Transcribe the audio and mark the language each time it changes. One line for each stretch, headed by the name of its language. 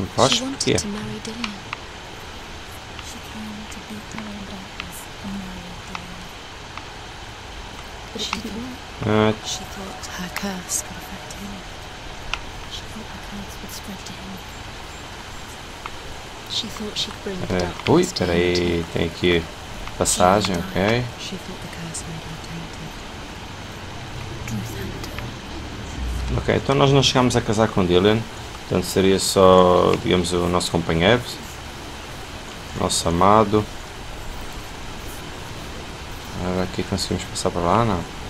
English: She wanted to marry Dillian. She came to beat her own darkness and marry Dillian. She thought her curse could affect him. She thought her curse would spread to him. She thought she'd bring the darkness to
Portuguese: peraí, tem aqui passagem, ok.
English: She thought the curse made her tainted.
Portuguese: Ok, então nós não chegámos a casar com Dillian. Portanto, seria só, digamos, o nosso companheiro. Nosso amado. Agora aqui conseguimos passar para lá, não?